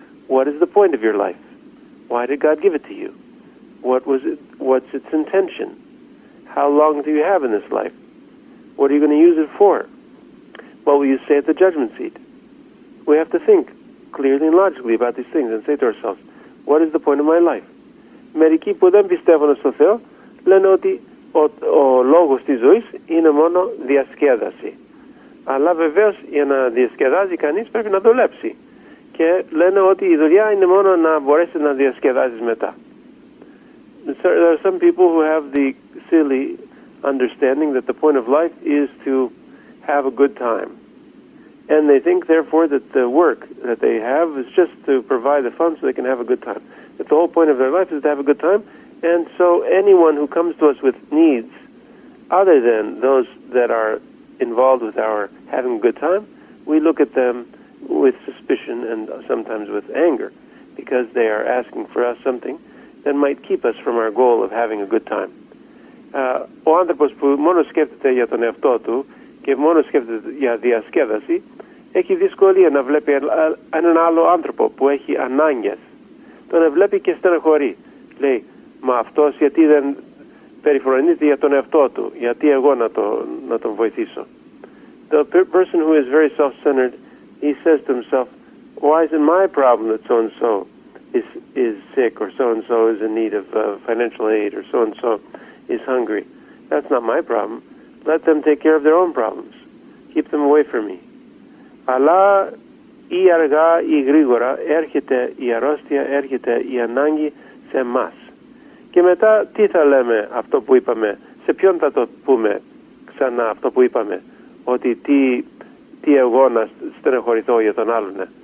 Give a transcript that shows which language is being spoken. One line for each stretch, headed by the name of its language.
English: What is the point of your life? Why did God give it to you? What was it? What's its intention? How long do you have in this life? What are you going to use it for? What will you say at the judgment seat? We have to think clearly and logically about these things and say to ourselves, what is the point of my life?
Greek: Μερικοί που δεν πιστεύουν στο Θεό λένε ότι ο λόγος της ζωής είναι μόνο διασκέδαση. Αλλά βεβαίως για να διασκεδάζει κανείς πρέπει να δουλέψει. Και λένε ότι η δουλειά είναι μόνο να μπορέσει να διασκεδάζεις μετά.
English: There are some people who have the silly understanding that the point of life is to have a good time. And they think, therefore, that the work that they have is just to provide the funds so they can have a good time. That the whole point of their life is to have a good time. And so anyone who comes to us with needs other than those that are involved with our having a good time, we look at them with suspicion and sometimes with anger because they are asking for us something that might keep us from our goal of having a good time.
Greek: Ο άνθρωπος που μόνο σκέφτεται για τον εαυτό του και μόνο σκέφτεται για διασκέδαση έχει δυσκολία να βλέπει έναν άλλο άνθρωπο που έχει ανάγκες. Τον βλέπει και στεναχωρεί. Λέει, μα αυτός γιατί δεν περιφρονείται για τον εαυτό του, γιατί εγώ να τον βοηθήσω.
English: The person who is very self-centered, he says to himself, why is it my problem that so-and-so is sick or so-and-so is in need of financial aid or so-and-so is hungry. That's not my problem. Let them take care of their own problems. Keep them away from me.
Greek: Αλλά ή αργά ή γρήγορα έρχεται η αρρώστια, έρχεται η ανάγκη σε μας. Και μετά τι θα λέμε αυτό που είπαμε, σε ποιον θα το πούμε ξανά αυτό που είπαμε, ότι τι εγώ να στενοχωρηθώ για τον άλλον.